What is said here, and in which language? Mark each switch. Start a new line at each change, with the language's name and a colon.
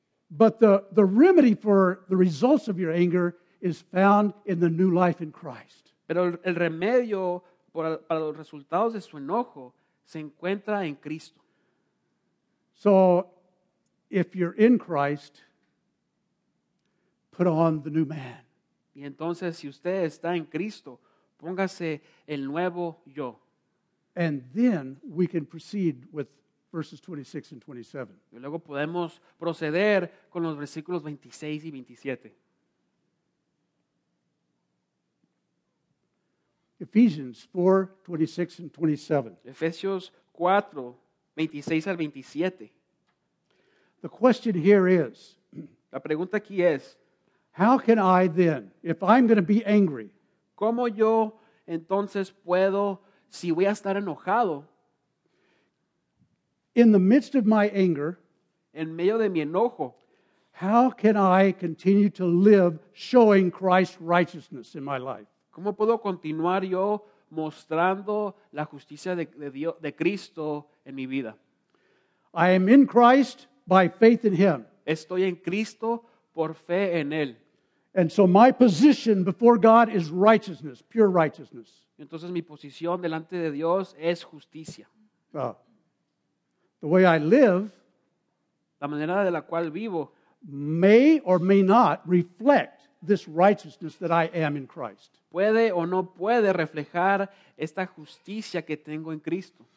English: But the remedy for the results of your anger is found in the new life in Christ.
Spanish: Pero el remedio para los resultados de su enojo se encuentra en Cristo.
English: So, if you're in Christ, put on the new man.
Spanish: Y entonces, si usted está en Cristo, póngase el nuevo yo.
English: And then we can proceed with verses 26 and 27.
Spanish: Y luego podemos proceder con los versículos 26 y 27.
English: Ephesians 4, 26 and 27.
Spanish: Efesios 4, 26 al 27.
English: The question here is,
Spanish: la pregunta aquí es,
English: how can I then, if I'm going to be angry,
Spanish: ¿cómo yo entonces puedo, si voy a estar enojado,
English: in the midst of my anger,
Spanish: en medio de mi enojo,
English: how can I continue to live showing Christ's righteousness in my life?
Spanish: ¿Cómo puedo continuar yo mostrando la justicia de Dios, de Cristo en mi vida?
English: I am in Christ by faith in Him.
Spanish: Estoy en Cristo por fe en Él.
English: And so my position before God is righteousness, pure righteousness.
Spanish: Entonces mi posición delante de Dios es justicia.
English: The way I live,
Spanish: la manera de la cual vivo,
English: may or may not reflect this righteousness that I am in Christ.
Spanish: Puede o no puede reflejar esta justicia que tengo en Cristo.